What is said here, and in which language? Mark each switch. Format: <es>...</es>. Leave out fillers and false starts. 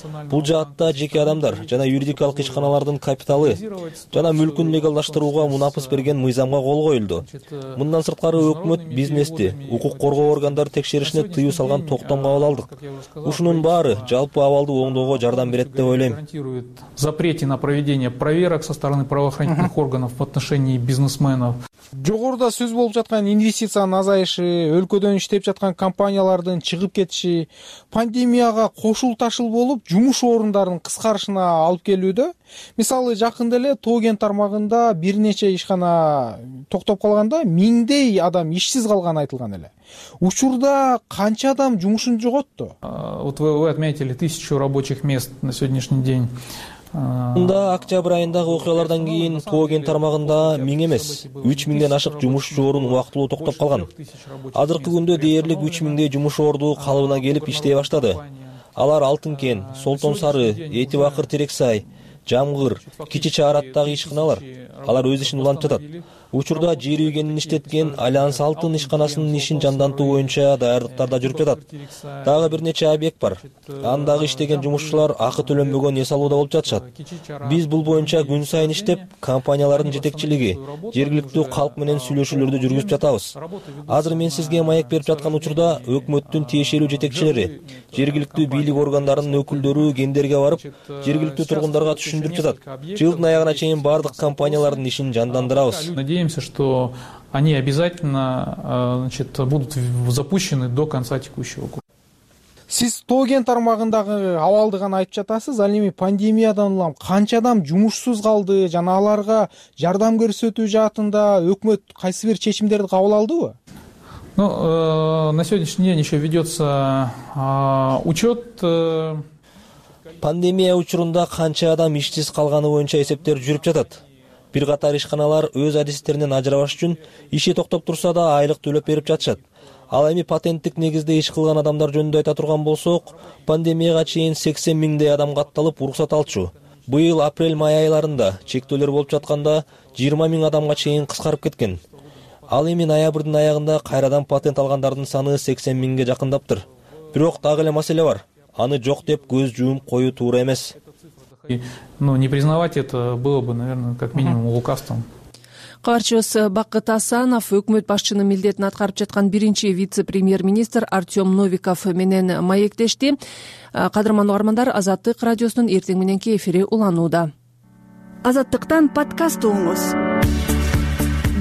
<ky>Бул жаатта жеке адамдар жана юридикалык ишканалардын капиталы жана мүлкүн легалдаштырууга мунапыс берген мыйзамга кол коюлду. Мындан сырткары өкмөт бизнести, укук коргоо органдары текшеришине тыюу салган токтом кабыл алдык. Ушунун баары жалпы абалды оңдоого жардам берет деп ойлойм.</ky> <ru>Запрети на проведение проверок со стороны правоохранительных органов в отношении бизнесменов.</ru> <ky>Жогоруда сөз болуп жаткан инвестициянын азайышы, өлкөдөн иштеп жаткан компаниялардын чыгып кетиши, пандемияга кошул ташыл болуп, жумуш орундарынын кыскарышына алып келүүдө. Мисалы, жакында эле Тоген тармагында бир нече ишкана токтоп калганда, миңдей адам ишсиз калганы айтылган эле. Учурда канча адам жумушун жоготту?</ky> <ru>Вот вы отметили 1000 рабочих мест на сегодняшний день.</ru> <ky>Мында октябрь айындагы окуялардан кийин Тоген тармагында миң эмес, 3000 ашык жумушчу орун убактылуу токтоп калган. Азыркы күндө дээрлик 3000 жумуш орду калыбына келип иштей баштады. Алар Алтын Кен, Солтон Сары, Эти Бакыр Терек Сай, Жамгыр, Кичи Чаараттагы ишканалар. Алар өз ишин улантып жатат. Учурда жер үйгенин иштеткен Альянс Алтын ишканасынын ишин жандантуу боюнча даярдыктар да жүрүп жатат. Дагы бир нече объект бар. Андагы иштеген жумушчулар акы төлөнбөгөн эс алууда болуп жатышат. Биз бул боюнча күн сайын иштеп, компаниялардын жетекчилиги, жергиликтүү калк менен сүйлөшүүлөрдү жүргүзүп жатабыз. Азыр мен сизге маек берип жаткан учурда өкмөттүн тиешелүү жетекчилери, жергиликтүү бийлик органдарынын өкүлдөрү кендерге барып, жергиликтүү тургундарга түшүндүрүп жатат. Жылдын аягына чейин баардык компаниялардын ишин жандандырабыз.</ky> <ru>Надеемся, что они обязательно, значит, будут запущены до конца текущего года.</ru> <ky>Сиз Тоген тармагындагы абалды гана айтып жатасыз, ал эми пандемиядан улам канча адам жумушсуз калды жана аларга жардам көрсөтүү жаатында өкмөт кайсы бир чечимдерди кабыл алдыбы?</ky> <ru>Ну, на сегодняшний день еще ведется учет.</ru> <ky>Пандемия учурунда канча адам ишсиз калганы боюнча эсептер жүрүп жатат. Бир катар ишканалар өз адистеринен ажырабаш үчүн иши токтоп турса да айлык төлөп берип жатышат. Ал эми патенттик негизде иш кылган адамдар жөнүндө айта турган болсок, пандемияга чейин 80 миңдей адам катталып уруксат алчу. Быйыл апрель-май айларында чектөөлөр болуп жатканда 20 миң адамга чейин кыскарып кеткен. Ал эми ноябрдын аягында кайрадан патент алгандардын саны 80 миңге жакындаптыр. Бирок дагы эле маселе бар. Аны жок деп көз жумуп коюу туура эмес.</ky> <ru>Но не признавать это было бы, наверное, как минимум лукавством.</ru> <ky>Кабарчыбыз Бакыт Асанов өкмөт башчынын милдетин аткарып жаткан биринчи вице-премьер-министр Артем Новиков менен маектешти. Кадырман угармандар, Азаттык радиосунун эртең мененки эфири уланууда. Азаттыктан подкаст угуңуз.</ky>